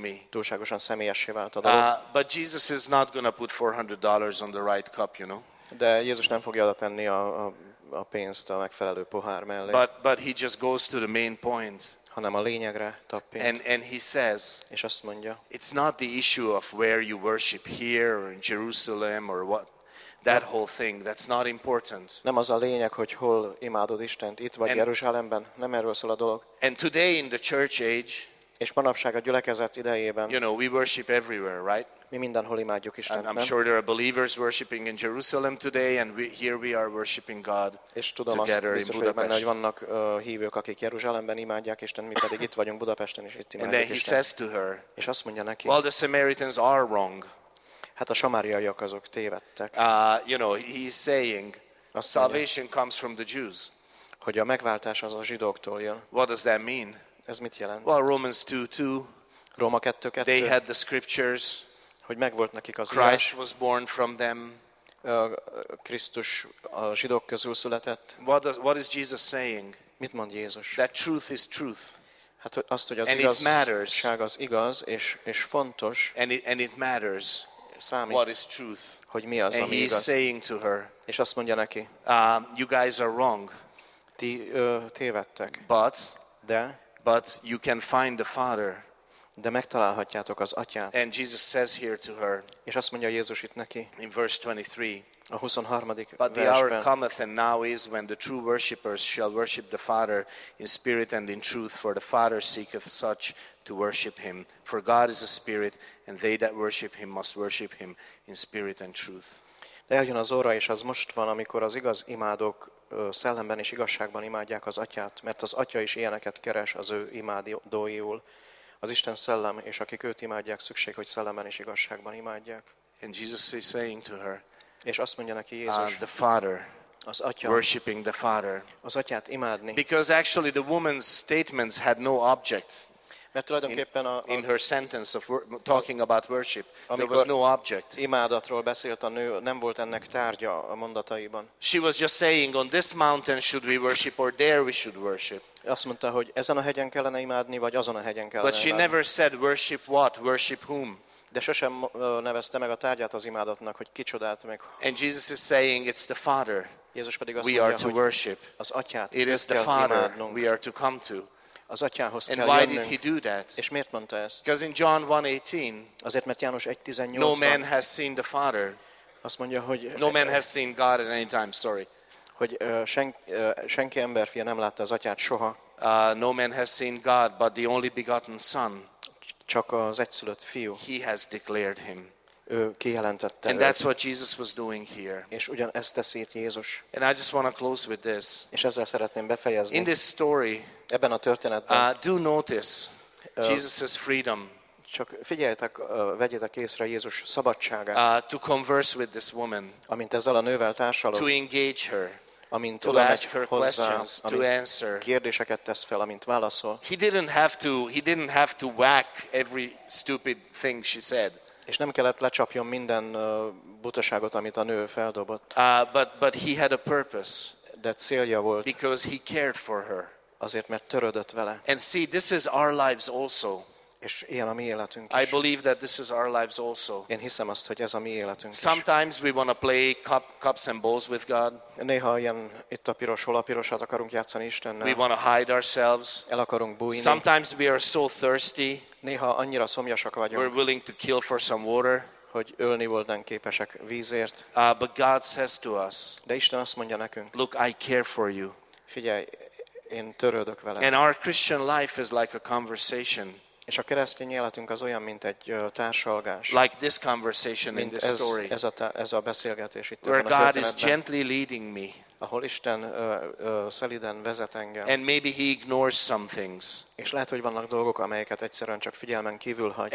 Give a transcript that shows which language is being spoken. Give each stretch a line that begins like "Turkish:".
Hungarian: túlságosan személyessé vált a dolog. De Jézus nem fogja oda tenni a pénzt a megfelelő pohár mellé.
English: But he just goes to the main point.
Hungarian: Hanem a lényegre tapint.
English: And he says,
Hungarian: és azt mondja,
English: it's not the issue of where you worship here or in Jerusalem or what. That whole thing, that's not important.
Hungarian: Nem az a lényeg, hogy hol imádod Istent, itt vagy Jeruzsálemben, nem erről szól a dolog.
English: And today in the church age,
Hungarian: és manapság a gyülekezet idejében,
English: you know, we worship everywhere, right?
Hungarian: Mi mindenhol imádjuk Istent.
English: I'm sure there are believers worshiping in Jerusalem today, and here we are worshiping God together in Budapest.
Hungarian: Biztos, hogy vannak hívők, akik Jeruzsálemben imádják Istent, mi pedig itt vagyunk Budapesten, és itt imádjuk Istent.
English: And then he says to her,
Hungarian: és azt mondja neki,
English: well, the Samaritans are wrong.
Hungarian: Hát a samáriaiak azok tévedtek.
English: You know, he's saying salvation comes from the Jews.
Hungarian: Hogy a megváltás az a zsidóktól jön.
English: What does that mean?
Hungarian: Ez mit jelent?
English: Well, Romans 2:2.
Hungarian: Róma 2:2.
English: They had the scriptures.
Hungarian: Hogy megvolt nekik az írás.
English: Christ was born from them.
Hungarian: Krisztus a zsidók közül született.
English: What is Jesus saying?
Hungarian: Mit mond Jézus?
English: That truth is truth.
Hungarian: Hát azt, hogy az igazság az igaz és fontos.
English: And it matters.
Hungarian: Számít,
English: what is truth?
Hungarian: Hogy mi az,
English: and
Hungarian: ami
English: he's
Hungarian: igaz.
English: Saying to her,
Hungarian: és azt mondja neki,
English: you guys are wrong.
Hungarian: Ti tévedtek.
English: But you can find the Father.
Hungarian: De megtalálhatjátok az atyát.
English: And Jesus says here to her,
Hungarian: és azt mondja Jézus itt neki,
English: in verse 23,
Hungarian: a 23. versben,
English: but the hour cometh and now is when the true worshippers shall worship the Father in spirit and in truth, for the Father seeketh such to worship him. For God is a spirit, and they that worship him must worship him in spirit and truth.
Hungarian: De eljön az óra, és az most van, amikor az igaz imádók szellemben és igazságban imádják az atyát, mert az atya is ilyeneket keres az ő imádóiul. Az Isten szellem, és akik őt imádják, szükség, hogy szellemben és igazságban imádják.
English: And Jesus is saying to her,
Hungarian: és azt mondja neki Jézus,
English: the Father,
Hungarian: az atya,
English: worshiping the Father.
Hungarian: Az atyát imádni.
English: Because actually the woman's statements had no object.
Hungarian: Mert tulajdonképpen
English: in her sentence of talking about worship, there was no object.
Hungarian: Imádatról beszélt a nő, nem volt ennek tárgya a mondataiban.
English: She was just saying, on this mountain should we worship, or there we should worship.
Hungarian: Azt mondta, hogy ezen a hegyen kellene imádni, vagy azon a hegyen kellene.
English: But she
Hungarian: imádni.
English: Never said worship what, worship whom.
Hungarian: De sosem nevezte meg a tárgyát az imádatnak, hogy kicsodát meg.
English: And Jesus is saying, it's the Father.
Hungarian: Jézus pedig azt
English: we
Hungarian: mondja,
English: are to
Hungarian: hogy
English: worship.
Hungarian: Az atyát.
English: It is the Father
Hungarian: imádnunk.
English: We are to come to.
Hungarian: Az atyához kell jönnünk.
English: And why did he do that?
Hungarian: És miért mondta ezt?
English: Because in John 1:18,
Hungarian: azért, mert János 1:18-ban,
English: no man has seen the Father.
Hungarian: Azt mondja, hogy
English: no man has seen God at any time. Sorry.
Hungarian: Hogy senki emberfia nem látta az atyát soha.
English: No man has seen God, but the only begotten Son.
Hungarian: Csak az egyszülött fiú.
English: He has declared him.
Hungarian: Ő kijelentette.
English: And that's what Jesus was doing here.
Hungarian: És ugyanezt teszi itt Jézus.
English: And I just want to close with this.
Hungarian: És ezzel szeretném befejezni.
English: In this story,
Hungarian: ebben a történetben,
English: do notice Jesus's freedom.
Hungarian: Csak figyeljetek, vegyétek észre Jézus szabadságát.
English: To converse with this woman.
Hungarian: Amint ezzel a nővel társalog.
English: To engage her.
Hungarian: Amint
English: to ask her questions, to answer.
Hungarian: Kérdéseket tesz fel, amint válaszol.
English: He didn't have to whack every stupid thing she said.
Hungarian: És nem kellett lecsapjon minden butaságot, amit a nő feldobott.
English: But he had a purpose.
Hungarian: De célja volt.
English: Because he cared for her.
Hungarian: Azért, mert törődött vele.
English: And see, this is our lives also.
Hungarian: És ilyen a mi életünk is.
English: I believe that this is our lives also.
Hungarian: Én hiszem azt, hogy ez a mi életünk is.
English: Sometimes we want to play cups and bowls with God.
Hungarian: Néha ilyen itt a piros, hol a pirosat akarunk játszani Istennel.
English: We want to hide ourselves.
Hungarian: El akarunk bújni.
English: Sometimes we are so thirsty.
Hungarian: Néha annyira szomjasak vagyunk.
English: We're willing to kill for some water.
Hungarian: Hogy ölni voltunk képesek vízért.
English: But God says to us.
Hungarian: De Isten azt mondja nekünk.
English: Look, I care for you.
Hungarian: Figyelj. Én törődök vele.
English: And our Christian life is like a conversation.
Hungarian: És a keresztény életünk az olyan, mint egy társalgás.
English: Like this conversation in this story.
Hungarian: Ez a beszélgetés itt.
English: Where God is gently leading me.
Hungarian: Ahol Isten szeliden vezet engem.
English: And maybe he ignores some things.
Hungarian: És lehet, hogy vannak dolgok, amelyeket egyszerűen csak figyelmen kívül hagy.